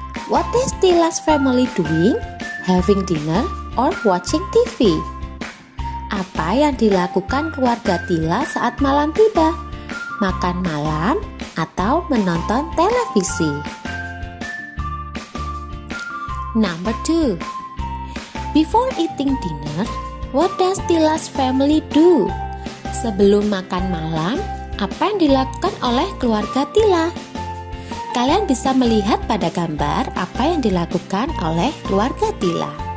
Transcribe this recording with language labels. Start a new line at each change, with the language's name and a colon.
English: What is Tila's family doing? Having dinner or watching TV?
Indonesian: Apa yang dilakukan keluarga Tila saat malam tiba? Makan malam atau menonton televisi?
English: Number 2. Before eating dinner, what does Tila's family do?
Indonesian: Sebelum makan malam, apa yang dilakukan oleh keluarga Tila? Kalian bisa melihat pada gambar apa yang dilakukan oleh keluarga Tila.